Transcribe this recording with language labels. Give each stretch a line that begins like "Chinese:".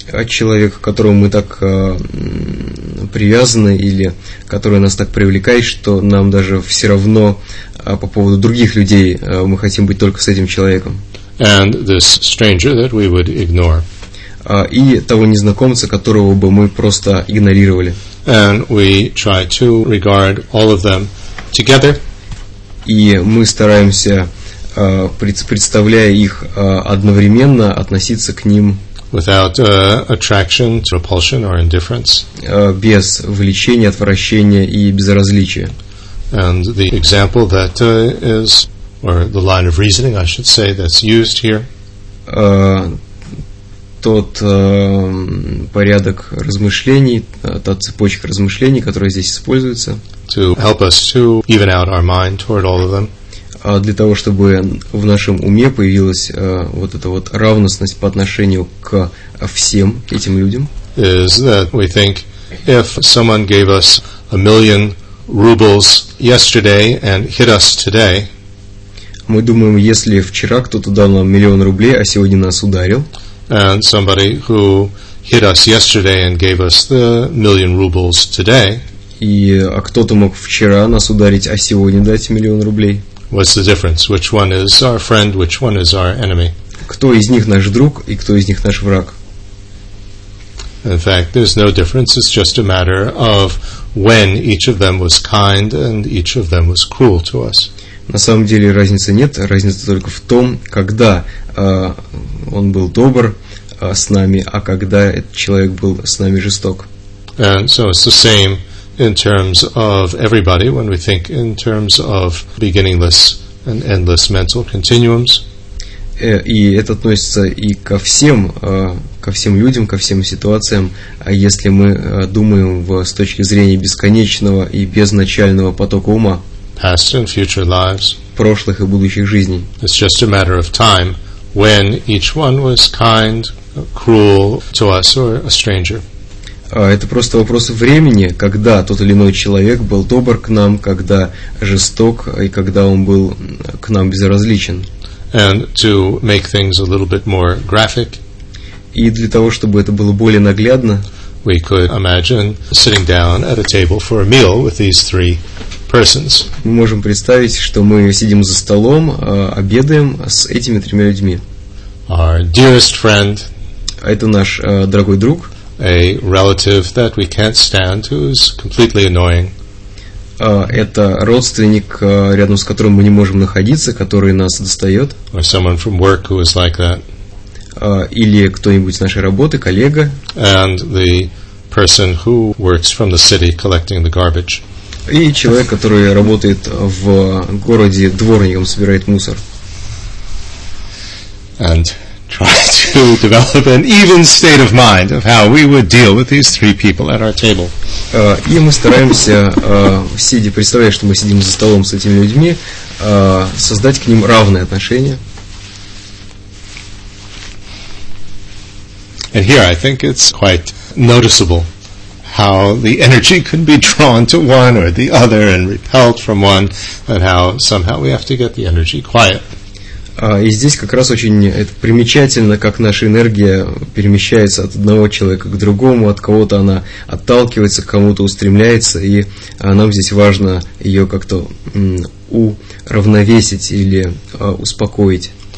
Russian: Человека, к которому мы так привязаны или который нас так привлекает, что нам даже все равно по поводу других людей мы хотим быть только с этим человеком.
English: And this stranger that we would ignore.
Russian: И того незнакомца, которого бы мы просто игнорировали.
English: And we try to regard all of them together.
Russian: И мы стараемся, представляя их одновременно, относиться к ним
English: without attraction, repulsion or indifference.
Russian: Без влечения, отвращения и безразличия.
English: And the example that is, or the line of reasoning, I should say, that's used here.
Russian: Тот порядок размышлений, та цепочка размышлений, которая здесь используется.
English: To help us to even out our mind toward all of them.
Russian: Для того, чтобы в нашем уме появилась вот эта вот равностность по отношению к всем этим людям.
English: Is that we think if someone gave us a million rubles yesterday and hit us today,
Russian: мы думаем, если вчера кто-то дал нам миллион рублей, а сегодня нас ударил,
English: and somebody who hit us yesterday and gave us the million rubles today,
Russian: И, а кто-то мог вчера нас ударить, а сегодня дать миллион рублей.
English: What's the difference? Which one is our friend, which one is our enemy?
Russian: Кто из них наш друг и кто из них наш враг?
English: In fact, there's no difference. It's just a matter of when each of them was kind and each of them was cruel to us.
Russian: На самом деле разницы нет. Разница только в том, когда он был добр с нами, а когда этот человек был с нами жесток.
English: And so it's the same in terms of everybody when we think in terms of beginningless and endless mental continuums.
Russian: И это относится и ко всем людям, ко всем ситуациям, если мы думаем с точки зрения бесконечного и безначального потока ума,
English: past and future lives,
Russian: прошлых и будущих жизней.
English: It's just a matter of time when each one was kind, cruel to us or a stranger.
Russian: Это просто вопрос времени, когда тот или иной человек был добр к нам, когда жесток и когда он был к нам безразличен.
English: And to make things a little bit more graphic,
Russian: и для того, чтобы это было более наглядно,
English: we could imagine sitting down at a table for a meal with these three persons.
Russian: Мы можем представить, что мы сидим за столом, обедаем с этими тремя людьми.
English: Our dearest friend,
Russian: это наш дорогой друг,
English: a relative that we can't stand, who's completely annoying.
Russian: Это родственник, рядом с которым мы не можем находиться, который нас достает.
English: Or someone from work who is like that.
Russian: Или кто-нибудь с нашей работы, коллега.
English: And the person who works from the city collecting the garbage.
Russian: И человек, который работает в городе дворником, собирает мусор.
English: And try to develop an even state of mind of how we would deal with these three people at our table.
Russian: И мы стараемся, сидя, представляя, что мы сидим за столом с этими людьми, создать к ним равные отношения.
English: And here I think it's quite noticeable how the energy could be drawn to one or the other and repelled from one, and how somehow we have to get the energy quiet.
Russian: И здесь как раз очень это примечательно, как наша энергия перемещается от одного человека к другому, от кого-то она отталкивается, к кому-то устремляется, и нам здесь важно ее как-то уравновесить или успокоить.